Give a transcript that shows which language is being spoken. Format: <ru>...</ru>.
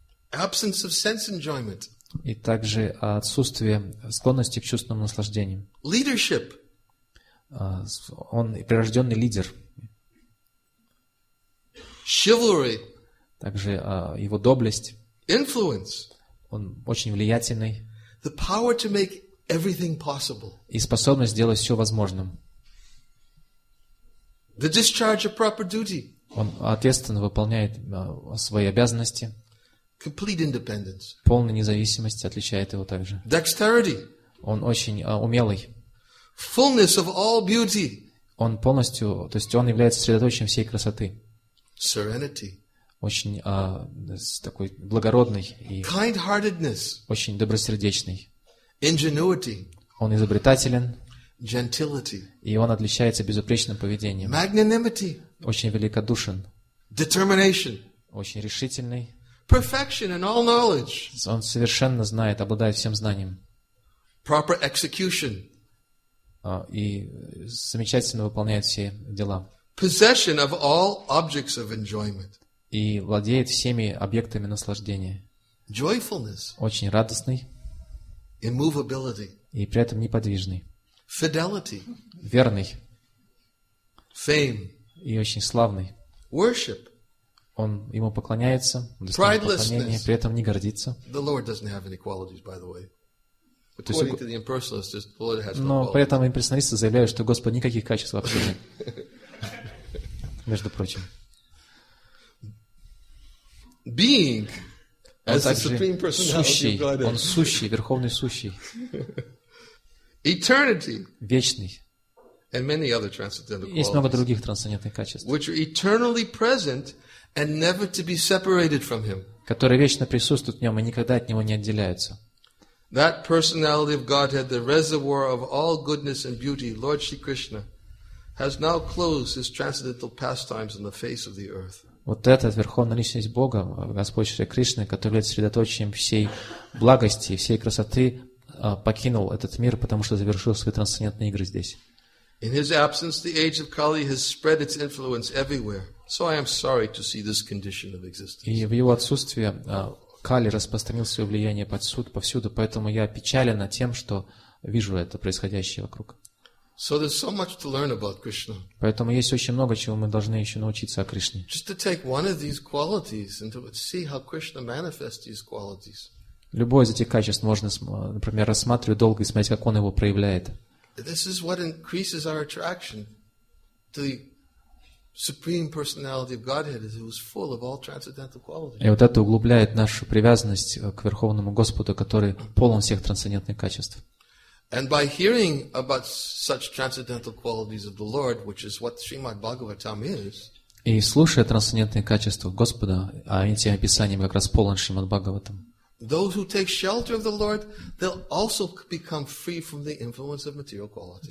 <en>Absence of sense enjoyment.</en> <ru>И также отсутствие склонности к чувственным наслаждениям.</ru> <en>Leadership.</en> <ru>Он прирожденный лидер.</ru> <en>Chivalry.</en> <ru>Также его доблесть.</ru> <en>Influence.</en> <ru>Он очень влиятельный.</ru> <en>The power to make everything possible.</en> <ru>И способность сделать все возможным.</ru> <en>The discharge of proper duty.</en> <ru>Он ответственно выполняет свои обязанности.</ru> <en>Complete independence.</en> <ru>Полная независимость отличает его также.</ru> <en>Dexterity.</en> <ru>Он очень умелый.</ru> <en>Fullness of all beauty.</en> <ru>Он полностью, то есть он является средоточием всей красоты.</ru> <en>Serenity.</en> <ru>Очень такой благородный. И</ru> <en>kind-heartedness.</en> <ru>Очень добросердечный.</ru> <en>Ingenuity.</en> <ru>Он изобретателен.</ru> <en>Gentility.</en> <ru>И он отличается безупречным поведением.</ru> <en>Magnanimity.</en> <ru>Очень великодушен.</ru> <en>Determination.</en> <ru>Очень решительный.</ru> <en>Perfection and all knowledge.</en> <ru>Он совершенно знает, обладает всем знанием.</ru> <en>Proper execution.</en> <ru>И замечательно выполняет все дела.</ru> <en>Possession of all objects of enjoyment.</en> <ru>И владеет всеми объектами наслаждения.</ru> <en>Joyfulness.</en> <ru>Очень радостный.</ru> <en>Immovability.</en> <ru>И при этом неподвижный.</ru> <en>Fidelity.</en> <ru>Верный.</ru> <en>Fame.</en> <ru>И очень славный.</ru> <en>Worship.</en> <ru>Он ему поклоняется, достойно поклонения, при этом не гордится.</ru> <en>The Lord doesn't have any qualities, by the way. According to the impersonalists, the Lord has no qualities.</en> <ru>Но при этом имперсоналисты заявляют, что Господь никаких качеств вообще нет. Между прочим.</ru> <en>Being as the supreme personality of Godhead.</en> <ru>Он сущий, верховный сущий.</ru> <en>Eternity.</en> <ru>Вечный.</ru> <en>And many other transcendental qualities.</en> <ru>Есть много других трансцендентных качеств.</ru> <en>Which are eternally present and never to be separated from him.</en> <ru>Которые вечно присутствуют в нем и никогда от него не отделяются.</ru> <en>That personality of Godhead, the reservoir of all goodness and beauty, Lord Shri Krishna, has now closed his transcendental pastimes on the face of the earth.</en> <ru>Вот эта верховная личность Бога, Господь Шри Кришна, который является средоточием всей благости, всей красоты, покинул этот мир, потому что завершил свои трансцендентные игры здесь.</ru> <en>In his absence, the age of Kali has spread its influence everywhere. So I am sorry to see this condition of existence.</en> <ru>И в его отсутствие Кали распространил свое влияние подсуд повсюду, поэтому я печален тем, что вижу это происходящее вокруг.</ru> <en>So there's so much to learn about Krishna.</en> <ru>Поэтому есть очень много чего мы должны еще научиться о Кришне.</ru> <en>Just to take one of these qualities and to see how Krishna manifests these qualities.</en> <ru>Любое из этих качеств можно, например, рассматривать долго и смотреть, как он его проявляет.</ru> <en>This is what increases our attraction to the supreme personality of Godhead, as it was full of all transcendental qualities.</en> <ru>И вот это углубляет нашу привязанность к Верховному Господу, который полон всех трансцендентных качеств.</ru> <en>And by hearing about such transcendental qualities of the Lord, which is what Srimad Bhagavatam is.</en> <ru>И слушая трансцендентные качества Господа, а этим описанием как раз полон Шримад Бхагаватам.</ru> <en>Those who take shelter of the Lord, they'll also become free from the influence of material qualities.</en>